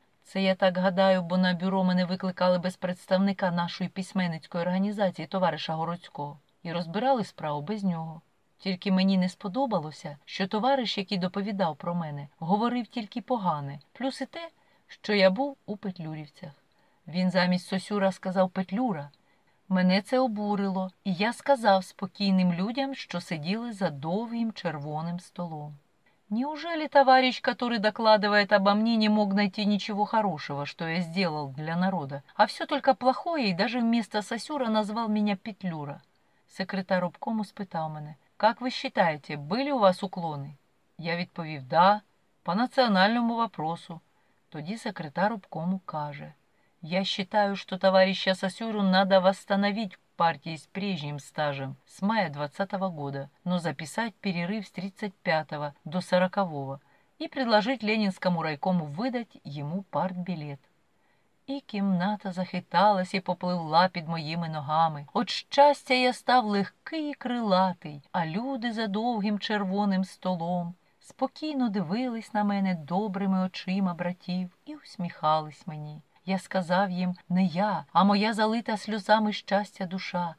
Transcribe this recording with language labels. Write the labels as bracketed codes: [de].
[uk] Це я так гадаю, бо на бюро мене викликали без представника нашої письменницької організації, товариша Городського, і розбирали справу без нього. Тільки мені не сподобалося, що товариш, який доповідав про мене, говорив тільки погане, плюс і те, що я був у петлюрівцях. Він замість Сосюра сказав «петлюра». Мене це обурило, і я сказав спокійним людям, що сиділи за довгим червоним столом: [ru] «Неужели товарищ, который докладывает обо мне, не мог найти ничего хорошего, что я сделал для народа, а все только плохое, и даже вместо Сосюра назвал меня петлюра?» [uk] Секретар обкому спитав мене: [ru] «Как вы считаете, были у вас уклоны?» [uk] Я відповів: [ru] «Да, по национальному вопросу». [uk] Тоді секретар обкому каже: [ru] «Я считаю, что товарища Сосюру надо восстановить в партии с прежним стажем, с мая 20-го года, но записать перерыв с 35-го до 40-го и предложить Ленинскому райкому выдать ему партбилет». И [uk] кімната захиталась [ru] и поплыла под моими ногами. От счастья [uk] я став [ru] легкий и крылатый, [uk] а люди за довгим червоним столом спокійно дивились на мене добрими очима братів и усміхались мені. Я сказав їм: «Не я, а моя залита сльозами щастя душа.